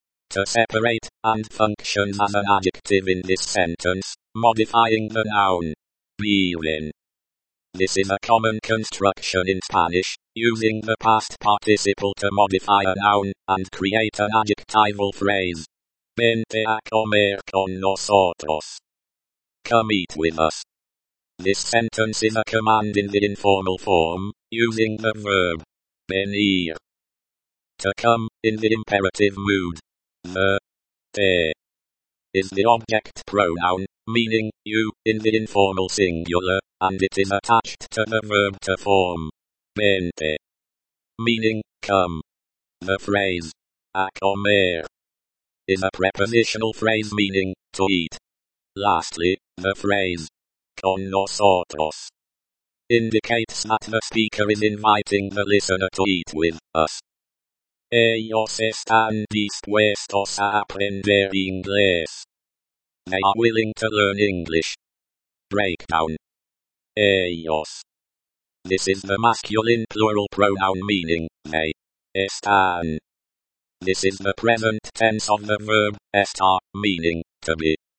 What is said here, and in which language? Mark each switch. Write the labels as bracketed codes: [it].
[en] To separate, and functions as an adjective in this sentence, modifying the noun viven. This is a common construction in Spanish, using the past participle to modify a noun and create an adjectival phrase. [es] Vente a comer con nosotros. [en] Come eat with us. This sentence is a command in the informal form, using the verb venir. To come, in the imperative mood. Verte is the object pronoun, meaning you, in the informal singular, and it is attached to the verb to form. Vente, meaning come. The phrase [es] a comer [en] is a prepositional phrase meaning to eat. Lastly, the phrase [es] con nosotros [en] indicates that the speaker is inviting the listener to eat with us. [es] Ellos están dispuestos a aprender inglés. [en] They are willing to learn English. Breakdown. Ellos. This is the masculine plural pronoun meaning they. Están. This is the present tense of the verb estar, meaning to be.